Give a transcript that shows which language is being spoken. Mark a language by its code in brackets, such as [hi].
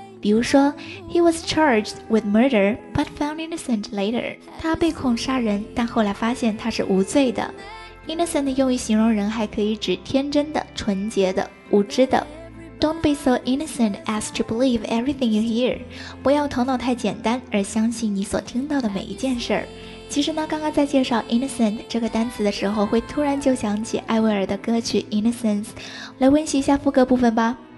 [zh] 比如说 [en] ，He was charged with murder, but found innocent later. [zh] 他被控杀人，但后来发现他是无罪的。Innocent 用于形容人，还可以指天真的、纯洁的、无知的。 [en] Don't be so innocent as to believe everything you hear. [zh] 不要头脑太简单而相信你所听到的每一件事儿。其实呢，刚刚在介绍 innocent 这个单词的时候，会突然就想起艾薇儿的歌曲 Innocence。来温习一下副歌部分吧。